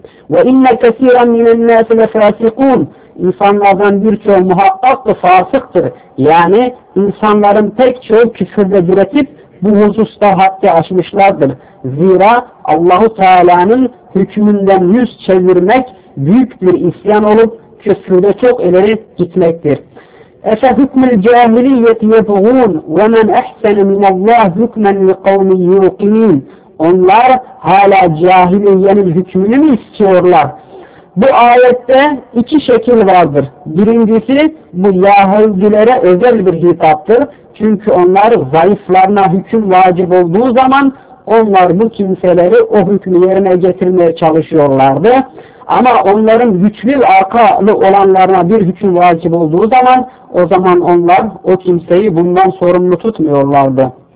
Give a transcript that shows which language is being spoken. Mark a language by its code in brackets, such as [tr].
[ar] وَاِنَّ كَثِيرًا مِنَ النَّاسِ لَفَاسِقُونَ [tr] İnsanlardan birçoğu muhakkak da fasıktır. Yani insanların pek çoğu küfürde diretip bu hususta haddi aşmışlardır. Zira Allah-u Teala'nın hükmünden yüz çevirmek büyük bir isyan olup küfürde çok ileri gitmektir. [ar] اَفَ هُكْمِ الْجَاهِلِيَّةِ يَبْغُونَ وَمَنْ اَحْسَنَ مِنَ اللّٰهِ هُكْمًا لِقَوْمِ يُوْقِنِينَ [tr] Onlar hala cahiliyenin hükmünü mü istiyorlar? Bu ayette iki şekil vardır. Birincisi bu Yahudilere özel bir hitaptır. Çünkü onlar zayıflarına hüküm vacip olduğu zaman onlar bu kimseleri o hükmü yerine getirmeye çalışıyorlardı. Ama onların güçlü arkalı olanlarına bir hüküm vacip olduğu zaman o zaman onlar o kimseyi bundan sorumlu tutmuyorlardı.